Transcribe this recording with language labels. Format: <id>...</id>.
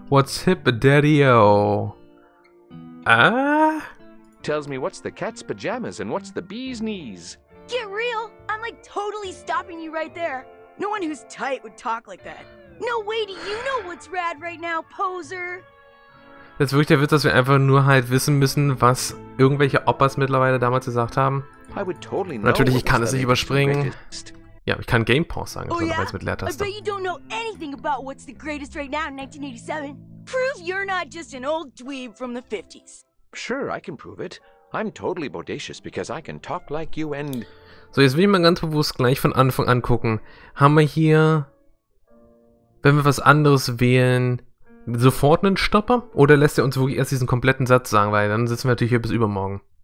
<en>What's hip daddy-o? Tells me what's the cat's pajamas and what's the bee's knees. Get real! I'm like totally stopping you right there. No one who's tight would talk like that. No way do you know what's rad right now, poser!</en> <de>Das ist wirklich der Witz, dass wir einfach nur halt wissen müssen, was irgendwelche Oppas mittlerweile damals gesagt haben.</de> <en>Totally.</en> <de>Natürlich, ich kann es nicht überspringen. Ja, ich kann Game Pause sagen, oh,</de> <en>yeah?</en> <de>Mit Leertaste.</de> <en>I bet you don't know anything about what's the greatest right now in 1987. Prove you're not just an old dweeb from the 50s. Sure, I can prove it. I'm totally bodacious because I can talk like you and...</en> <de>So, jetzt will ich mal ganz bewusst gleich von Anfang an gucken. Haben wir hier, wenn wir was anderes wählen... Sofort einen Stopper? Oder lässt er uns wirklich erst diesen kompletten Satz sagen, weil dann sitzen wir natürlich hier bis übermorgen.</de>